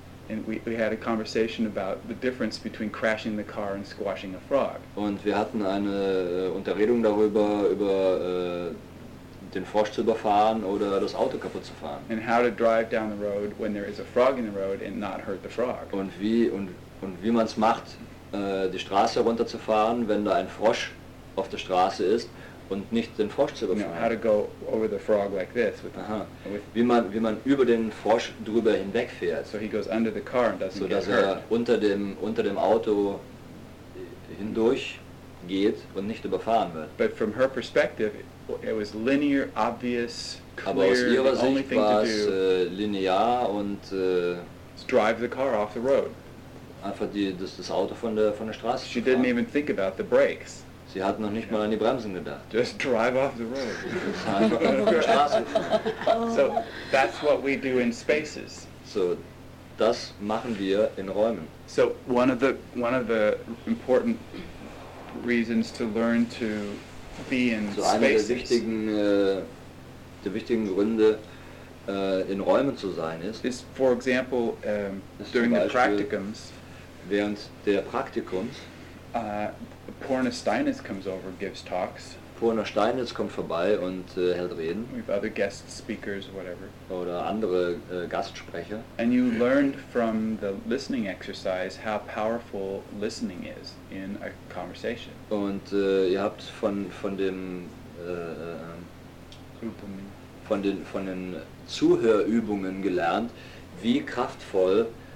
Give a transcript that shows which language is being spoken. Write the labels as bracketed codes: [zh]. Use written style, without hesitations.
[en] And we had a conversation about the difference between crashing the car and squashing a frog. [de] Und wir hatten eine Unterredung darüber, über den Frosch zu überfahren oder das Auto kaputt zu fahren. [en] And how to drive down the road when there is a frog in the road and not hurt the frog. [de] Und wie man es macht, die Straße runterzufahren, wenn da ein Frosch auf der Straße ist und nicht den Frosch zu befahren. [en] How to go over the frog like this. [de] Wie man über den Frosch drüber hinwegfährt. [en] So he goes under the car and doesn't get hurt. [de] So dass er unter dem Auto hindurch geht und nicht überfahren wird. [en] But from her perspective, it was linear, obvious, clear. [de] Aber aus ihrer Sicht war es linear und [en] drive the car off the road. [de] Einfach das Auto von der Straße. [en] She didn't even think about the brakes. [de] Sie hat noch nicht mal an die Bremsen gedacht. [en] Just drive off the road. [de] Einfach auf der Straße. [en] So that's what we do in spaces. [de] So das machen wir in Räumen. [en] So one of the important reasons to learn to be in spaces. [de] So einer der wichtigen Gründe, in Räumen zu sein, ist [en] for example, during the practicums. [de] Während der Praktikums, [en] Porna Steinitz comes over, gives talks. [de] Porna Steinitz kommt vorbei und hält Reden. [en] We have other guest speakers, whatever. [de] Oder andere Gastsprecher. [en] And you learned from the listening exercise how powerful listening is in a conversation. [de] Und ihr habt von den Zuhörübungen gelernt, wie kraftvoll